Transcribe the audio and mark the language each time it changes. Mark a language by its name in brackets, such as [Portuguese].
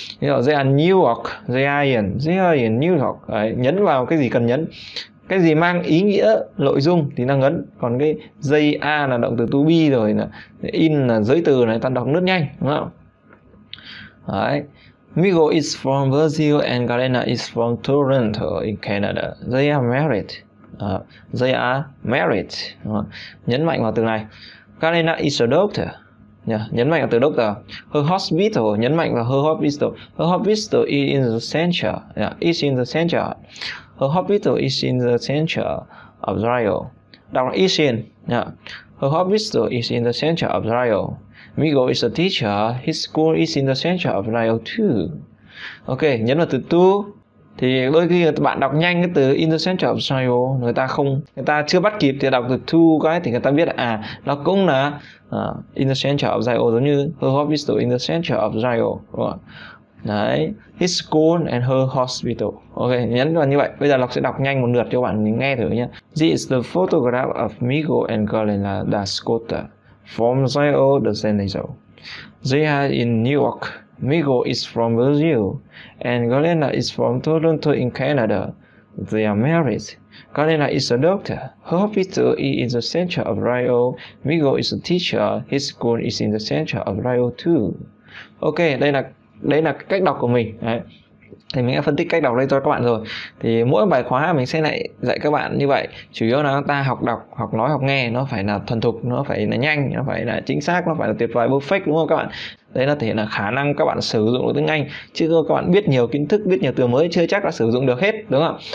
[English] They are New York, they are in New York. [Vietnamese] Đấy. Nhấn vào cái gì cần nhấn. Cái gì mang ý nghĩa, nội dung thì đang ấn. Còn cái dây A là động từ to be rồi là in là giới từ này, ta đọc nước nhanh, đúng không? [English] Đấy. Miguel is from Brazil and Galena is from Toronto in Canada. They are married. They are married. [Vietnamese] Nhấn mạnh vào từ này. [English] Galena is a doctor. Yeah. [Vietnamese] Nhấn mạnh vào từ doctor. [English] Her hospital. [Vietnamese] Nhấn mạnh vào her hospital. [English] Her hospital is in the center. Yeah. It's in the center. Her hospital is in the center of Rio. [Vietnamese] Đọc là is in. [English] Yeah. Her hospital is in the center of Rio. Miguel is a teacher. His school is in the center of Rio too. [Vietnamese] Ok, nhấn vào từ to. Thì đôi khi bạn đọc nhanh cái từ [English] in the center of Rio, [Vietnamese] người ta không, người ta chưa bắt kịp thì đọc từ to cái thì người ta biết là à, nó cũng là in the center of Rio, giống như [English] her hospital in the center of Rio. [Vietnamese] Đấy, his school and her hospital. Ok, nhấn vào như vậy. Bây giờ Lộc sẽ đọc nhanh một lượt cho bạn nghe thử nhé. [English] This is the photograph of Miguel and Galena da Scotta from Rio de Janeiro. They are in New York. Miguel is from Brazil and Galena is from Toronto in Canada. They are married. Galena is a doctor. Her hospital is in the center of Rio. Miguel is a teacher. His school is in the center of Rio too. [Vietnamese] Ok, đây là cách đọc của mình. Đấy. Thì mình đã phân tích cách đọc đây cho các bạn rồi. Thì mỗi bài khóa mình sẽ lại dạy các bạn như vậy. Chủ yếu là ta học đọc, học nói, học nghe. Nó phải là thuần thục, nó phải là nhanh, nó phải là chính xác, nó phải là tuyệt vời, perfect, đúng không các bạn? Đấy là thể hiện là khả năng các bạn sử dụng được tiếng Anh. Chứ các bạn biết nhiều kiến thức, biết nhiều từ mới chưa chắc là sử dụng được hết, đúng không?